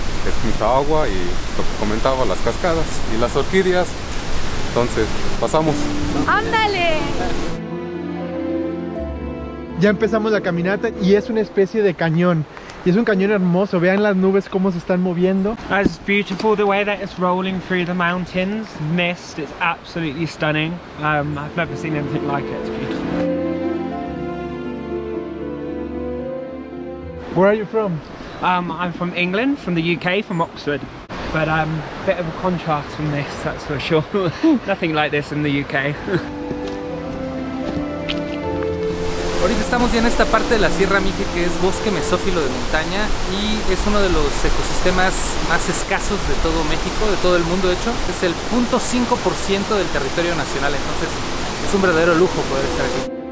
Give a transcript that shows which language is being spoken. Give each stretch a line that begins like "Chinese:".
Spanish: Es mucha agua y lo que comentaba, las cascadas y las orquídeas. Entonces, pasamos. ¡Ándale! Ya empezamos la caminata y es una especie de cañón. Y es un cañón hermoso, vean las nubes cómo se están moviendo.
English: It's beautiful the way that it's rolling through the mountains. Mist, it's absolutely stunning. I've never seen anything like it, it's beautiful. Where are you from? I'm from England, from the UK, from Oxford. But a bit of a contrast from this, that's for sure. Nothing like this in the UK.
Spanish: Ahorita estamos ya en esta parte de la Sierra Mixe, que es bosque mesófilo de montaña y es uno de los ecosistemas más escasos de todo México, de todo el mundo de hecho. Es el 0.5% del territorio nacional, entonces es un verdadero lujo poder estar aquí.